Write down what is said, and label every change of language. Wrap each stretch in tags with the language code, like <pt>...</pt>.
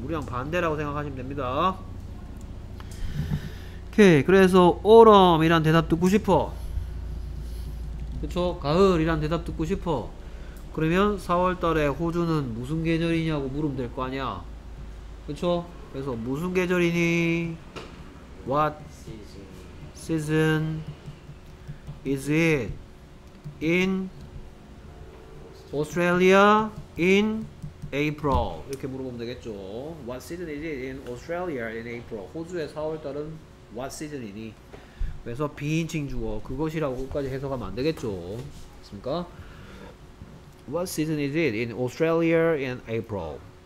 <ko>우리랑 반대라고 생각하시면 됩니다. 오케이. 그래서 autumn이란 대답 듣고 싶어. 그쵸? 가을이란 대답 듣고 싶어. 그러면 4월달에 호주는 무슨 계절이냐고 물으면 될 거 아니야. 그쵸? 그래서 무슨 계절이니?</ko> <en>What season is it in Australia in April?</en> <ko>이렇게 물어보면 되겠죠.</ko> <en>What season is it in Australia in April?</en> <ko>호주의 4월달은</ko> <en>what season</en> <ko>이니? 그래서 비인칭 주어 그것이라고까지 해석하면 안 되겠죠. 됐습니까?</ko> <en>What season is it in Australia in April?</en>